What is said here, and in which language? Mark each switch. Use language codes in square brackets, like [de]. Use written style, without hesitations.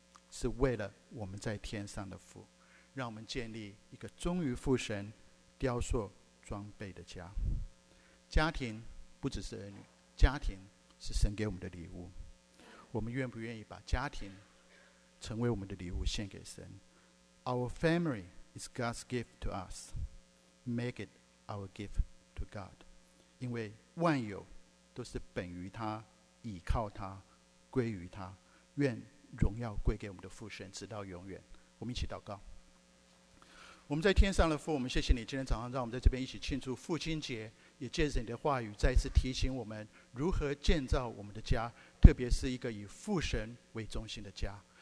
[zh] 是为了我们在天上的父。让我们建立一个忠于父神雕塑装备的家。家庭不只是儿女，家庭是神给我们的礼物。我们愿不愿意把家庭成为我们的礼物献给神？ [en] Our family is God's gift to us. Make it our gift to God. [zh] 因为万有都是本于他，倚靠他，归于他。愿荣耀归给我们的父神，直到永远。我们一起祷告。我们在天上的父，我们谢谢你今天早上让我们在这边一起庆祝父亲节，也借着你的话语再次提醒我们如何建造我们的家，特别是一个以父神为中心的家。